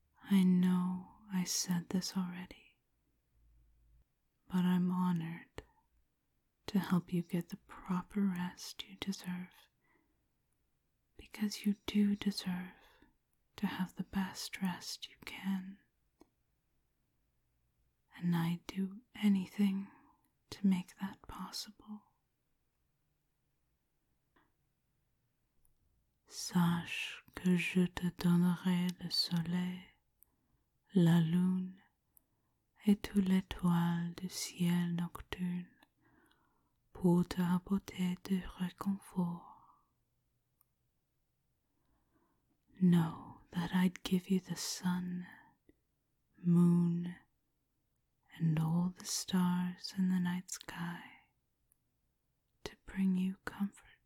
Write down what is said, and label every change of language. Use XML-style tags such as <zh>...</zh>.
<en>I know I said this already, but I'm honored to help you get the proper rest you deserve. Because you do deserve to have the best rest you can. And I'd do anything to make that possible.</en> <fr>Sache que je te donnerai le soleil, la lune et toute l'étoile du ciel nocturne pour te apporter du réconfort.</fr> <en>Know that I'd give you the sun, moon, and all the stars in the night sky to bring you comfort.</en>